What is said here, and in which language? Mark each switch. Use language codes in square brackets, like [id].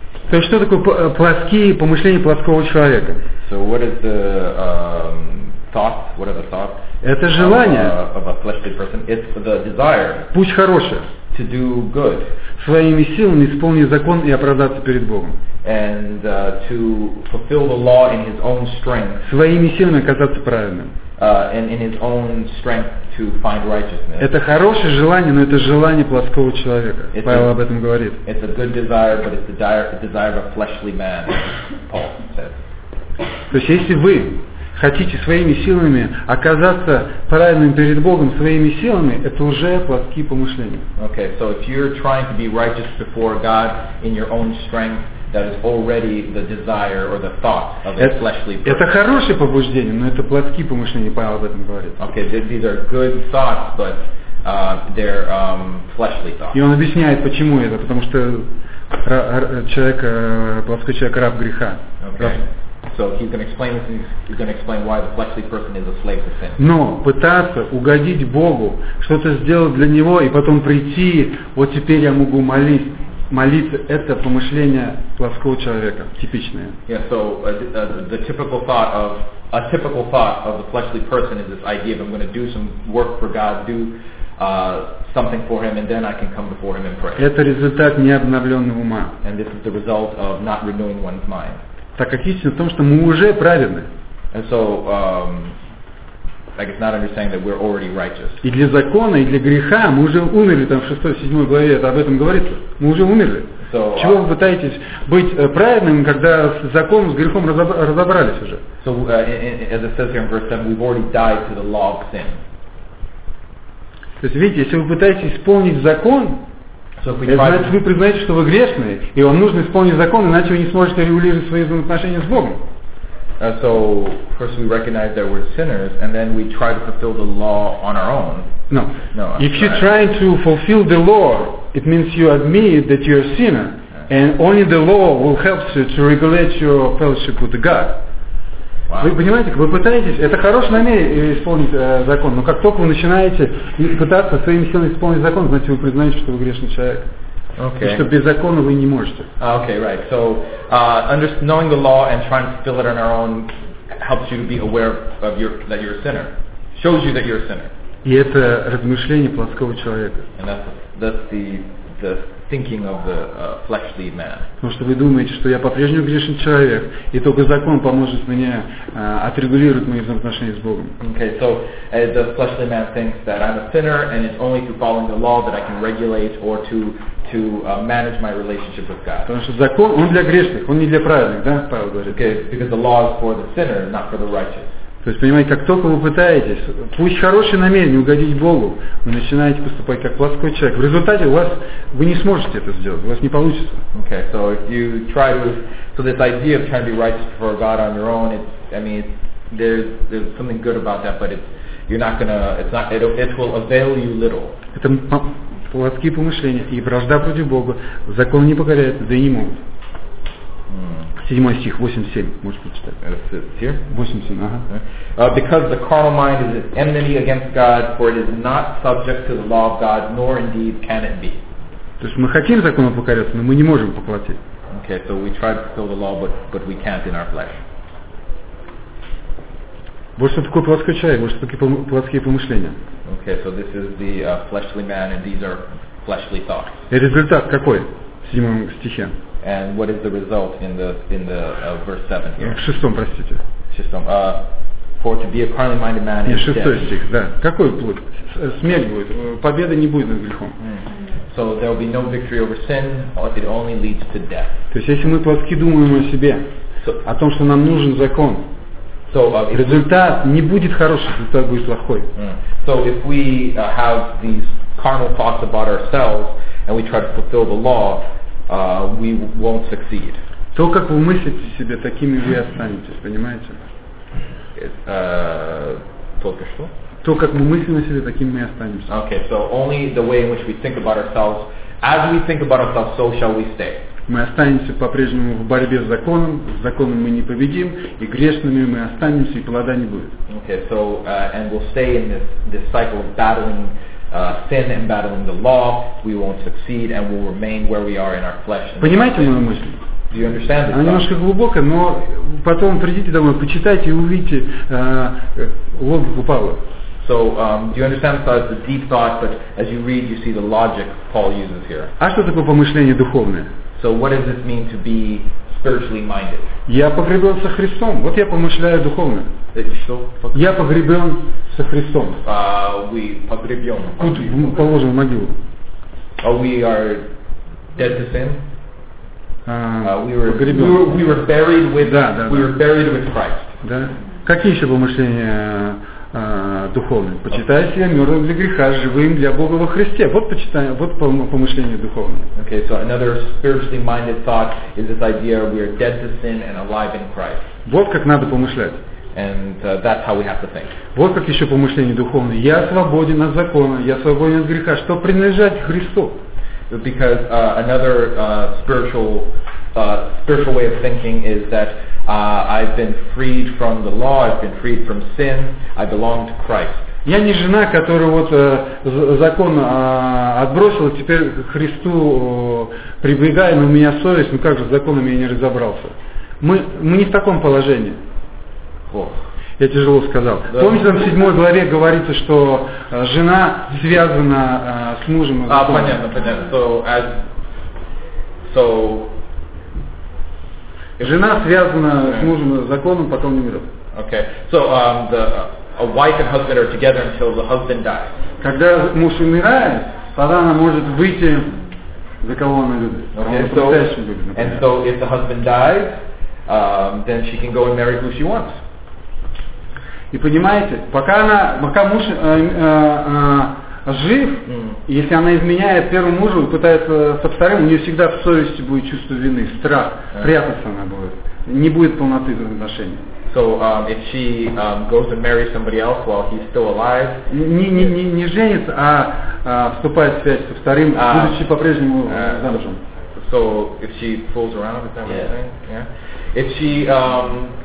[ru] То есть что такое плотские помышления плотского человека? [en] So what is the thoughts? What are the thoughts? [ru] Это желание. [en] Of a fleshly person, it's the desire. [ru] Путь хороший. [en] To do good. [ru] Своими силами исполнить закон и оправдаться перед Богом. [en] And to fulfill the law in his own strength. [ru] Своими силами оказаться правильным. [en] And in his own strength to find righteousness. [ru] Это хорошее желание, но это желание плотского человека. [en] It's [ru] Павел об этом говорит. [en] It's a good desire, but it's the desire of a fleshly man, Paul says. [ru] То есть если вы хотите своими силами оказаться правильным перед Богом своими силами, это уже плотские помышления. [en] Okay, so if you're trying to be righteous before God in your own strength, that is already the desire or the thought of a fleshly person. [ru] Это хорошее побуждение, но это плотские помышления, Павел об этом говорит. [en] Okay, these are good thoughts, but they're fleshly thoughts. [ru] И он объясняет, почему это, потому что человек, плотской человек раб греха. [en] Okay. So he's going to explain this, he's going to explain why the fleshly person is a slave to sin. [ru] Но пытаться угодить Богу, что-то сделать для него и потом прийти, вот теперь я могу молиться. Молитва — это помышление плоского человека, типичное. [en] Yeah, so the typical thought of a typical thought of the fleshly person is this idea of I'm going to do some work for God, do something for Him, and then I can come before Him and pray. [ru] Это результат необновленного ума. [en] And this is the result of not renewing one's mind. [ru] Так как истина в том, что мы уже праведны. [en] And so, like it's not understanding that we're already righteous. [ru] И для закона, и для греха мы уже умерли, там в 6-7 главе это об этом говорится. Мы уже умерли. [en] So, [ru] чего вы пытаетесь быть праведным, когда с законом, с грехом разобрались уже? [en] So, as it says here in verse 7, we've already died to the law of sin. [ru] То есть, видите, если вы пытаетесь исполнить закон, значит, вы признаете, что вы грешные, и вам нужно исполнить закон, иначе вы не сможете регулировать свои взаимоотношения с Богом. [en] So first we recognize that we're sinners, and then we try to fulfill the law on our own. No. No. If you're trying to fulfill the law, it means you admit that you're a sinner, yes. And only the law will help you to regulate your fellowship with God. Wow. [ru] Вы понимаете, вы пытаетесь, это хорошее намерение исполнить закон, но как только вы начинаете пытаться своими силами исполнить закон, значит вы признаете, что вы грешный человек. [en] Okay. [ru] И что без закона вы не можете. [en] Okay, right. So, knowing the law and trying to fill it on our own helps you to be aware of your that you're a sinner. Shows you that you're a sinner. [ru] И это размышление плотского человека. [en] And that's the thinking of the fleshly man. [ru] Потому что вы думаете, что я по-прежнему грешный человек, и только закон поможет мне отрегулировать мои взаимоотношения с Богом. [en] Okay, so as the fleshly man thinks that I'm a sinner and it's only through following the law that I can regulate or to manage my relationship with God. [ru] Потому что закон, он для грешных, он не для праведных, да, Павел говорит. [en] Okay, because the law is for the sinner, not for the righteous. [ru] То есть, понимаете, как только вы пытаетесь, пусть хорошее намерение угодить Богу, вы начинаете поступать как плоской человек. В результате у вас, вы не сможете это сделать, у вас не получится. [en] Okay, so if you try to, so this idea of trying to be righteous before God on your own, there's something good about that, but it will avail you little. [ru] Это плотские помышления и вражда против Бога, закон не покоряет, да и не могут. 7 стих, 8-7, можете прочитать. 8-7, ага. [en] Because the carnal mind is at enmity against God, for it is not subject to the law of God, nor indeed can it be. [ru] То есть мы хотим закону покоряться, но мы не можем поплатить. [en] Okay, so we try to fulfill the law, but we can't in our flesh. [ru] Вот что такое плотской человек, вот что такие плотские помышления. [en] Okay, so this is the fleshly man, and these are fleshly thoughts. [ru] И результат какой в 7 стихе? [en] And what is the result in the verse 7 here? [ru] В 6, простите. В 6. [en] For to be a carnally minded man is death. [ru] Нет, 6 стих, да. Какой будет? Смерть будет. Победы не будет над грехом. [en] So there will be no victory over sin, but it only leads to death. [ru] То есть если мы плотски думаем о себе, о том, что нам нужен закон, результат не будет хороший, результат будет плохой. [en] So if we have these carnal thoughts about ourselves and we try to fulfill the law, we won't succeed. [ru] То, как вы мыслите себе, такими вы останетесь, понимаете? Только что? То, как мы мыслим о себе, такими мы останемся. [en] Okay, so only the way in which we think about ourselves, as we think about ourselves, so shall we stay. [ru] Мы останемся по-прежнему в борьбе с законом, с законом мы не победим, и грешными мы останемся, и плода не будет. [en] Okay, so, and we'll stay in this cycle of battling sin and battling the law, we won't succeed, and we'll remain where we are in our flesh. [ru] Понимаете мою мысль? [en] Do you understand this? [ru] Она немножко глубокая, но потом придите домой, почитайте и увидите логику Павла. [en] So, do you understand that it's a deep thought, but as you read, you see the logic Paul uses here. [ru] А что такое помышление духовное? [en] So what does this mean to be spiritually minded? [ru] Я погребен со Христом. Вот я помышляю духовно. Я погребен со Христом. Тут мы положим в могилу. [en] We are dead to sin. We were buried with Christ. [ru] Да. Какие еще помышления духовные? Почитай себя мертвым для греха, живым для Бога во Христе. Вот почитай, вот помышление духовное. [en] Okay, so another spiritually minded thought is this idea we are dead to sin and alive in Christ. [ru] Вот как надо помышлять. [en] And that's how we have to think. [ru] Вот как еще помышление духовное. Я свободен от закона, я свободен от греха. Что принадлежать Христу? [en] Because another spiritual way of thinking is that I've been freed from the law, I've been freed from sin, I belong to Christ. [ru] Я не жена, которая вот закон отбросила, теперь к Христу прибегаю, но у меня совесть, ну как же с законом я не разобрался. Мы не в таком положении. Я тяжело сказал. Помните, там в 7 главе говорится, что жена связана с мужем. А, понятно, понятно. Жена связана с мужем законом, потом не умрет. [en] Okay. So a wife and husband are together until the husband dies. [ru] Когда муж умирает, тогда она может выйти за кого она любит. [en] Okay. So, and so if the husband dies, then she can go and marry who she wants. [ru] И понимаете, пока муж жив, если она изменяет первому мужу и пытается со вторым, у нее всегда в совести будет чувство вины, страх, прятаться она будет. Не будет полноты отношений. So if she goes and marries somebody else while he's still alive. Не женится, а вступает в связь со вторым, будучи по-прежнему замужем. [en] So if she fools around, is that what you're saying? Yeah.